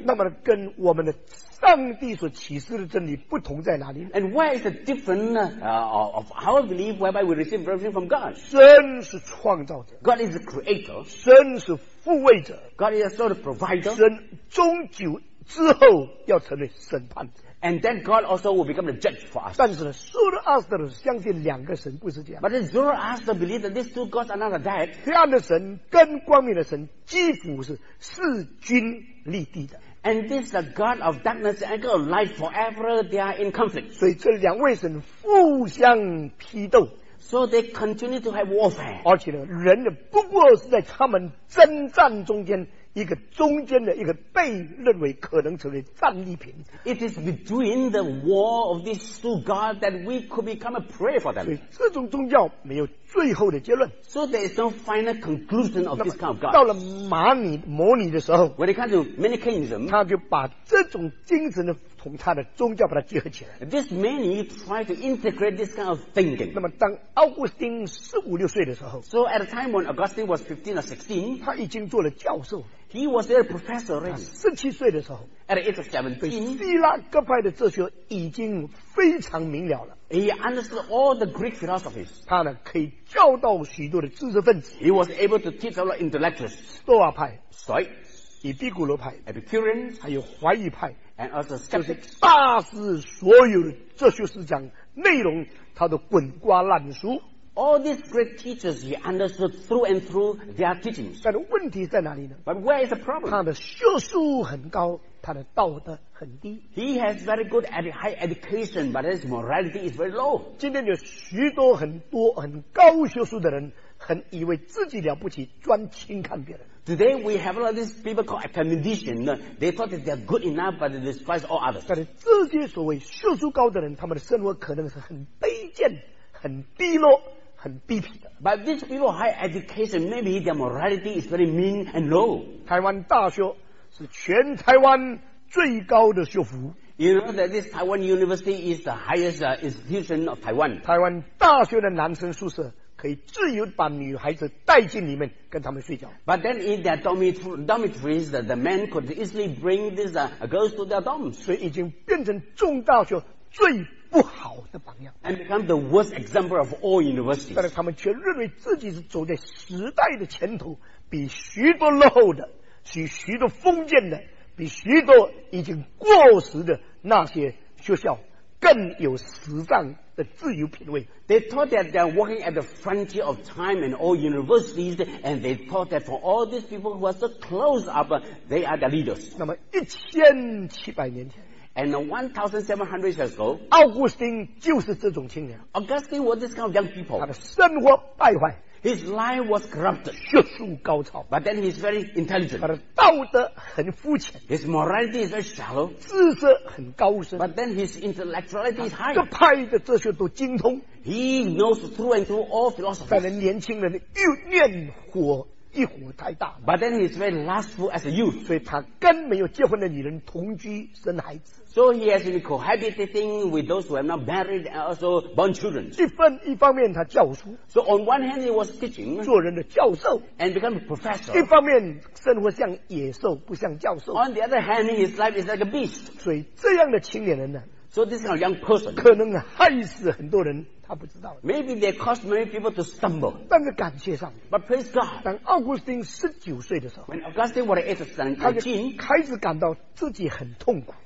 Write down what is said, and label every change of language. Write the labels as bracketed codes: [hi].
[zh] 那么跟我们的上帝所启示的真理不同在哪里 [en] ？And where is the difference of our belief whereby we receive revelation from God? [zh] 神是创造者 [en] ，God is the creator. [zh] 神是复位者 [en] ，God is the sort of provider. [zh] 神终究之后要成为审判者。 [en] And then God also will become the judge for us. [zh] 但是呢 Zoroaster 相信两个神不是这样。 [en] But Zoroaster believes that these two gods are not that. [zh] 黑暗的神跟光明的神几乎是势均力敌的。 [en] And this is the God of darkness and God of light forever they are in conflict. [zh] 所以这两位神互相批斗。 [en] So they continue to have warfare. [zh] 而且呢人不过是在他们征战中间一个中间的一个被认为可能成为战利品 [en] It is between the war of these two gods that we could become a prey for them [zh] 所以这种宗教没有最后的结论 [en] So there is no final conclusion of this kind of god [zh] 到了摩尼的时候 [en] When it comes to Manichaeism [zh] 他就把这种精神的从他的宗教把它结合起来 [en] This many try to integrate this kind of thinking [zh] 那么当奥古斯丁十五六岁的时候 [en] So at a time when Augustine was 15 or 16 [zh] 他已经做了教授 [en] He was their professor already [zh] 十七岁的时候 [en] At the age of 17 [zh] 希腊各派的哲学已经非常明了了 [en] He understood all the Greek philosophies [zh] 他呢可以教导许多的知识分子 [en] He was able to teach a lot of intellectuals [zh] 斯多派 [en] Stoic [zh] 以毕古罗派 [en] Epicurean [zh] 还有怀疑派 [en] And also skeptics. [zh] 就是大师所有的哲学思想内容他都滚瓜烂熟 [en] All these great teachers he understood through and through their teachings [zh] 但问题在哪里呢 [en] But where is the problem? [zh] 他的学术很高他的道德很低 [en] He has very good high education but his morality is very low [zh] 今天有许多很多很高学术的人很以为自己了不起专轻看别人 [en] Today we have a lot of these people called academicians They thought that they are good enough but they despise all others [zh] 但是这些所谓学术高的人他们的生活可能是很卑贱很低落很低皮的。 [en] But these people high education, maybe their morality is very mean and low. [zh] 台湾大学是全台湾最高的学府。 [en] You know that this Taiwan University is the highest institution of Taiwan. [zh] 台湾大学的男生宿舍可以自由把女孩子带进里面跟他们睡觉。 [en] But then in their dormitories, the men could easily bring these girls to their dorms. [zh] 所以已经变成中大学最不好的榜样。 [en] And become the worst example of all universities. [zh] 但是他们却认为自己是走在时代的前头，比许多落后的，比许多封建的，比许多已经过时的那些学校更有时尚的自由品味。 [en] They thought that they are walking at the frontier of time and all universities, and they thought that for all these people who are so close up, they are the leaders. [zh] 那么一千七百年前 [en] ，and 1,700 years ago, [zh] 奥古斯丁就是这种青年。 [en] Augustine was this kind of young people. [zh] 他的生活败坏。 [en] His life was corrupted. [zh] 学术高超。 [en] But then he's very intelligent. [zh] 他的道德很肤浅。 [en] His morality is very shallow. [zh] 知识很高深。 [en] But then his intellectuality is high. [zh] 各派的哲学都精通。 [en] He knows through and through all philosophers. [zh] 但是年轻人又念火一火太大。 [en] But then he's very lustful as a youth. [zh] 所以他跟没有结婚的女人同居生孩子。 [en] So he has been cohabiting with those who have not married and also born children. [zh] 一方面他教书。 [en] So on one hand he was teaching. [zh] 做人的教授。 [en] And become a professor. [zh] 一方面生活像野兽不像教授。 [en] On the other hand his life is like a beast. [zh] 所以这样的青年人呢。 [en] So this kind of young person. [zh] 可能害死很多人他不知道。 [en] Maybe they caused many people to stumble. [zh] 但是感谢上帝。 [en] But praise God. [zh] 当奥古斯丁19岁的时候。 [en] When Augustine was 18, [zh] 他就开始感到自己很痛苦。